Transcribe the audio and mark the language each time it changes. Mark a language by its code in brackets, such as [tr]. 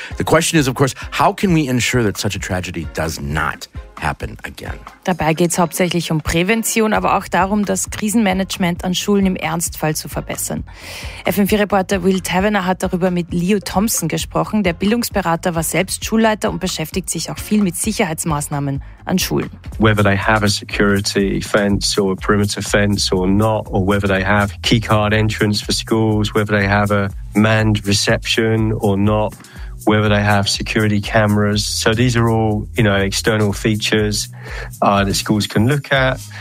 [en] The question is, of course, how can we ensure that such a tragedy does not happen again? [de] Dabei geht es hauptsächlich um Prävention, aber auch darum, das Krisenmanagement an Schulen im Ernstfall zu verbessern. FM4-Reporter Will Tavener hat darüber mit Leo Thompson gesprochen. Der Bildungsberater war selbst Schulleiter und beschäftigt sich auch viel mit Sicherheitsmaßnahmen an Schulen. [en] Whether they have a security fence or a perimeter fence or not, or whether they have keycard entrance for schools, whether they have a manned reception or not, whether they have security cameras. So these are all, you know, external features that schools can look at.